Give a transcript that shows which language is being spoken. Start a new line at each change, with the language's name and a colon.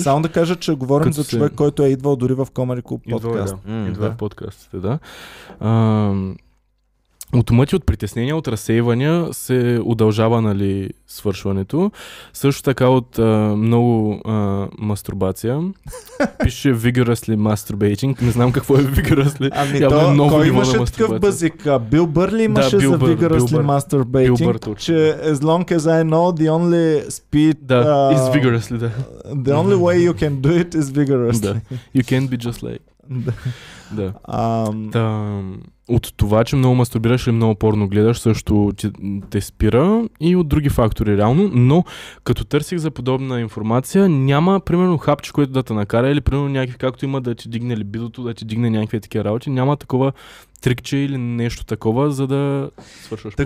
Bulgarian: Само да кажа, че говорим като за човек, си... който е идвал дори в Comedy Club подкаст. Идва в подкастите, да. Автомати от притеснения, от разсейвания се удължава, нали, свършването. Също така от много мастурбация. Пише
English: vigorously masturbating.
Bulgarian: Не знам какво е vigorously. Ами то, много кой имаше такъв базик? Бил Бър ли имаше за
English: vigorously masturbating?
Bulgarian: Че
English: as long as I know, the only speed is vigorously.
Bulgarian: Да.
English: The only way you can do it is vigorously.
Bulgarian: Да.
English: You can't be just like.
Bulgarian: Да. Да. От това, че много мастурбираш или много порно гледаш, също те спира и от други фактори реално, но като търсих за подобна информация, няма примерно хапче, което да те накара или примерно някакви, както има да ти дигне либидото, да ти дигне някакви такива работи, няма такова трикче или нещо такова, за да свършваш.